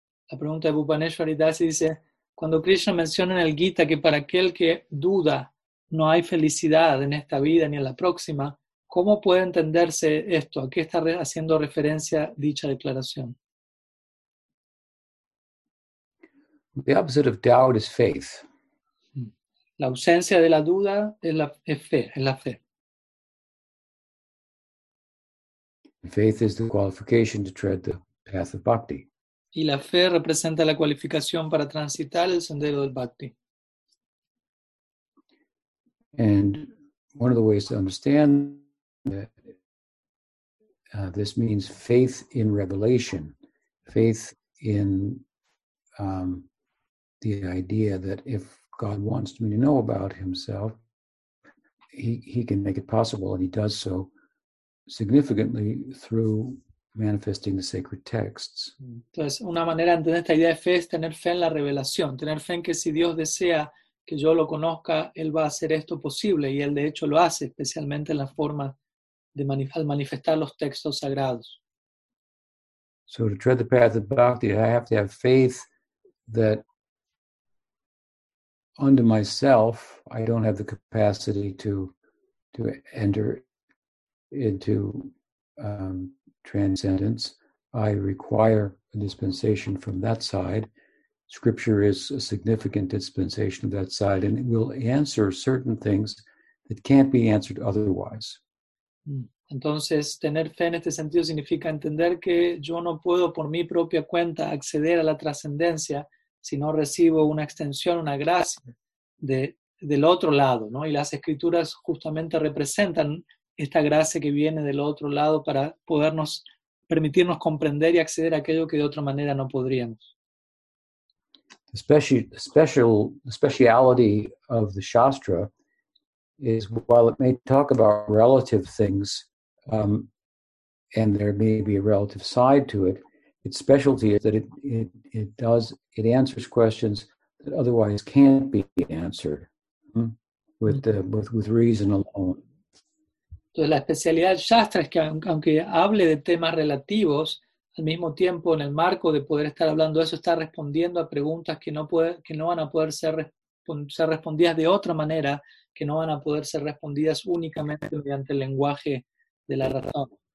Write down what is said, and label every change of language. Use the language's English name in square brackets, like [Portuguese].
[Spanish] La pregunta de Bhuvaneshwari Dasi dice, cuando Krishna menciona en el Gita que para aquel que duda no hay felicidad en esta vida ni en la próxima, ¿cómo puede entenderse esto? ¿A qué está haciendo referencia dicha declaración? [English] The opposite of doubt is faith. [Spanish] La ausencia de la duda es la fe. [English] Faith is the qualification to tread the path of bhakti. [Spanish] Y la fe representa la cualificación para transitar el sendero del bhakti. [English] And one of the ways to understand that this means faith in revelation, faith in the idea that if God wants me to know about himself, he can make it possible, and he does so significantly through manifesting the sacred texts. [Spanish] Entonces, una manera de entender esta idea de fe es tener fe en la revelación, tener fe en que si Dios desea que yo lo conozca, él va a hacer esto posible, y él de hecho lo hace, especialmente en la forma de manifestar los textos sagrados. [English] So to tread the path of bhakti, I have to have faith that unto myself, I don't have the capacity to enter into transcendence. I require a dispensation from that side. Scripture is a significant dispensation of that side, and it will answer certain things that can't be answered otherwise. [Spanish] Entonces, tener fe en este sentido significa entender que yo no puedo por mi propia cuenta acceder a la trascendencia si no recibo una extensión, una gracia del otro lado, ¿no? Y las escrituras justamente representan esta gracia que viene del otro lado para podernos permitirnos comprender y acceder a aquello que de otra manera no podríamos. [English] The speciality of the Shastra is, while it may talk about relative things, and there may be a relative side to it, its specialty is that it answers questions that otherwise can't be answered with reason alone. [Spanish] Entonces, la especialidad del Shastra es que, aunque hable de temas relativos, al mismo tiempo, en el marco de poder estar hablando de eso, está respondiendo a preguntas que no van a poder ser ser respondidas de otra manera, que no van a poder ser respondidas únicamente mediante el lenguaje de la razón.